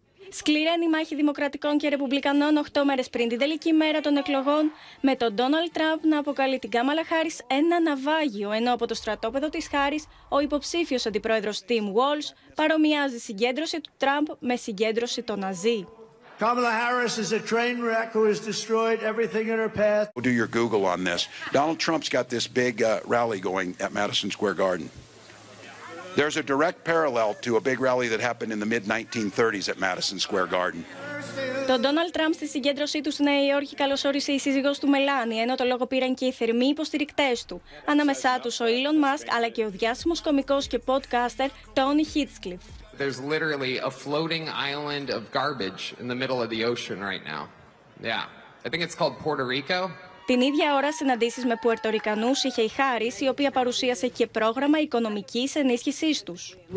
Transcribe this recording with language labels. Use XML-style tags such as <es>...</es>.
<el>Σκληραίνει η μάχη Δημοκρατικών και Ρεπουμπλικανών 8 μέρες πριν την τελική μέρα των εκλογών, με τον Ντόναλντ Τραμπ να αποκαλεί την Κάμαλα Χάρις ένα ναυάγιο, ενώ από το στρατόπεδο της Χάρις ο υποψήφιος αντιπρόεδρος Τιμ Walz παρομοιάζει συγκέντρωση του Τραμπ με συγκέντρωση των Ναζί.</el> <en>Kamala Harris is a train wreck who has destroyed everything in her path. Do your Google on this. Donald Trump's got this big rally going at Madison Square Garden. There's a direct parallel to a big rally that happened in the mid-1930s at Madison Square Garden.</en> <el>Το Donald Trump στη συγκέντρωσή του στη Νέα Υόρκη καλωσόρισε η σύζυγός του Μελάνια, ενώ το λόγο πήραν και οι θερμοί υποστηρικτές του. Ανάμεσά τους ο Elon Musk, αλλά και ο διάσημος κωμικός και podcaster Tony Hitchcliffe.</el> <en>There's literally a floating island of garbage in the middle of the ocean right now. Yeah, I think it's called Puerto Rico.</en> <el>Την ίδια ώρα, συναντήσεις με Πουερτορικανούς είχε η Χάρις, η οποία παρουσίασε και πρόγραμμα οικονομικής ενίσχυσής τους.</el>